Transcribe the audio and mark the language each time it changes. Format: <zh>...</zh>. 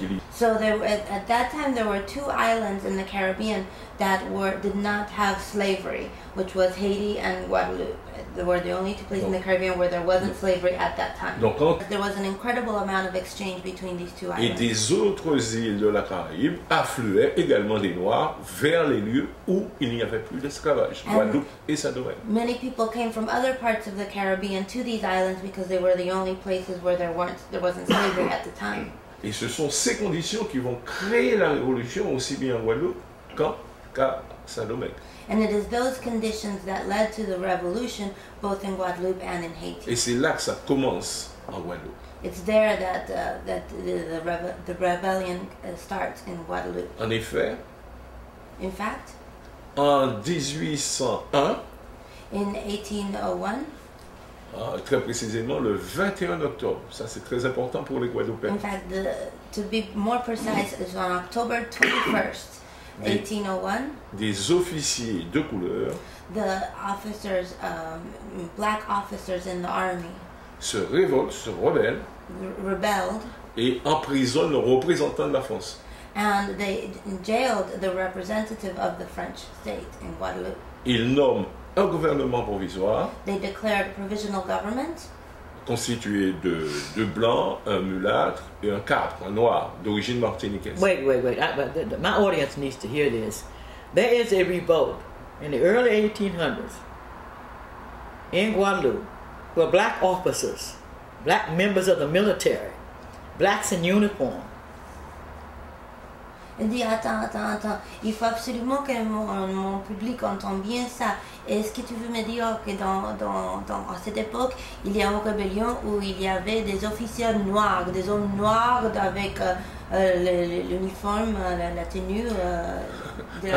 <en>So there, at that time, there were two islands in the Caribbean that did not have slavery, which was Haiti and Guadeloupe. They were the only two places in the Caribbean where there wasn't slavery at that time. There was an incredible amount of exchange between these two islands.</en> <fr>Et des autres îles de la Caraïbe affluaient également des Noirs vers les lieux où il n'y avait plus d'esclavage, Guadeloupe et Saint-Domingue.</fr> <en>Many people came from other parts of the Caribbean to these islands because they were the only places where there wasn't slavery at the time.</en> <fr>Et ce sont ces conditions qui vont créer la révolution aussi bien en Guadeloupe qu'à Saint-Domingue.</fr> <en>And it is those conditions that led to the revolution both in Guadeloupe and in Haiti.</en> <fr>Et c'est là que ça commence en Guadeloupe.</fr> <en>It's there that the rebellion starts in Guadeloupe.</en> <fr>En effet.</fr> <en>In fact.</en> <fr>En 1801.</fr> <en>In 1801.</en> <fr>Très précisément le 21 octobre. Ça c'est très important pour les Guadeloupéens.</fr> <en>In fact, to be more precise, it's on October 21st. 1801.</en> <fr>Des officiers de couleur.</fr> <en>The officers, black officers in the army.</en> <fr>Se révoltent, se rebellent.</fr> <en>Rebelled.</en> <fr>Et emprisonnent le représentant de la France.</fr> <en>And they jailed the representative of the French state in Guadeloupe.</en> <fr>Ils nomment un gouvernement provisoire.</fr> <en>They declared a provisional government.</en> <fr>Constitué de deux blancs, un mulâtre et un cadre, un noir, d'origine martiniquaise.</fr> <en>Wait. My audience needs to hear this. There is a revolt in the early 1800s in Guadeloupe where black officers, black members of the military, blacks in uniform.</en> <fr>Attends. Il faut absolument que mon public entende bien ça. Est-ce que tu veux me dire que dans à cette époque, il y a une rébellion où il y avait des officiers noirs, des hommes noirs avec l'uniforme, la tenue de la</fr>